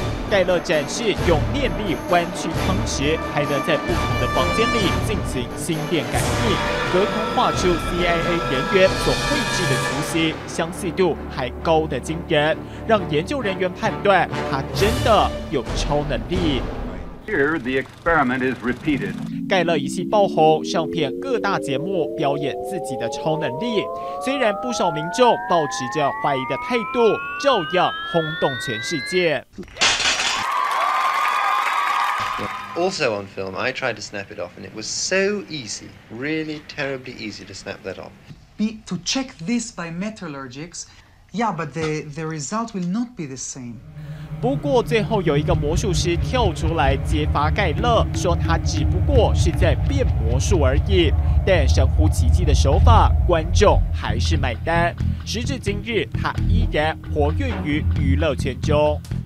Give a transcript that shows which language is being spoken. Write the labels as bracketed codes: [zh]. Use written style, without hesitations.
[zh] 盖勒展示用念力弯曲汤匙，还能在不同的房间里进行心电感应，隔空画出 CIA 人员所绘制的图形，相似度还高得惊人，让研究人员判断他真的有超能力。 [en] Here the experiment is repeated. [zh] 盖勒一系爆红，上片各大节目表演自己的超能力，虽然不少民众抱持着怀疑的态度，照样轰动全世界。 [en] Also on film, I tried to snap it off, and it was so easy, really terribly easy to snap that off. To check this by metallurgics, yeah, but the result will not be the same. [zh] 不过最后有一个魔术师跳出来揭发盖勒，说他只不过是在变魔术而已。但神乎其技的手法，观众还是买单。时至今日，他依然活跃于娱乐圈中。